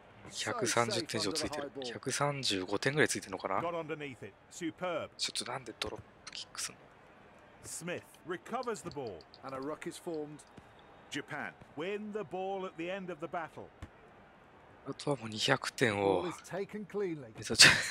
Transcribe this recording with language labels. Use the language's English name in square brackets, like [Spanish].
[Japanese] 130点以上ついてる。135点ぐらいついてるのかな。ちょっとなんでドロップキックすんの。 [English] スミス recovers the ball and a ruck is formed. Japan win the ball at the end of the battle. [Japanese] あとはもう200点を目指す。